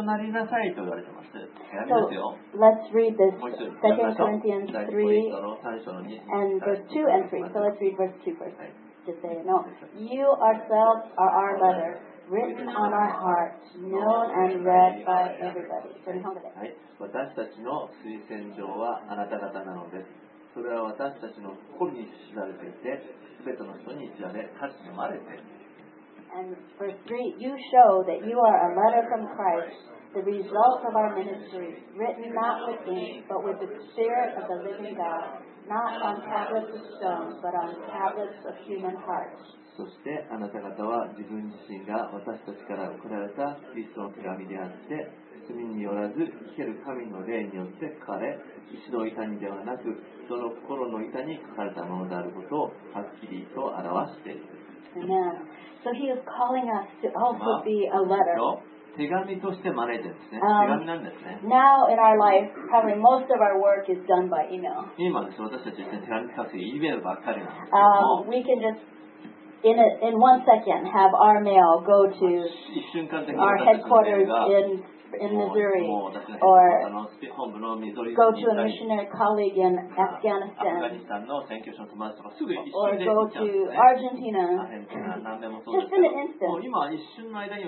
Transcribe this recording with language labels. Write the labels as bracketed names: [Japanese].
[English] let's read this 2 Corinthians 3 and verse 2 and 3. So let's read verse 2 first. Just say, no, you ourselves are our letter. Written on our hearts, known and read by everybody. [Japanese] 私たちの推薦状はあなた方なのです。それは私たちの心に知られていて、すべての人に知られ、かつ読まれている。 [English] And verse 3, you show that you are a letter from Christ, the result of our ministry, written not with ink, but with the Spirit of the living God, not on tablets of stone, but on tablets of human hearts. [Japanese] そしてあなた方は自分自身が私たちから送られたキリストの手紙であって罪によらず生きる神の霊によって書かれ石の板にではなく人の心の板に書かれたものであることをはっきりと表している。 [English] Amen. So he is calling us to also be a letter. [Japanese] 手紙として招いてるんですね。手紙なんですね。 [English] Now in our life, probably most of our work is done by email. [Japanese] 今です。私たちは手紙に書くEメールばっかりなんですけども。 [English] We can justIn one second, have our mail go to our headquarters in Missouri, or go to a missionary colleague in Afghanistan, or go to Argentina, just in an instant.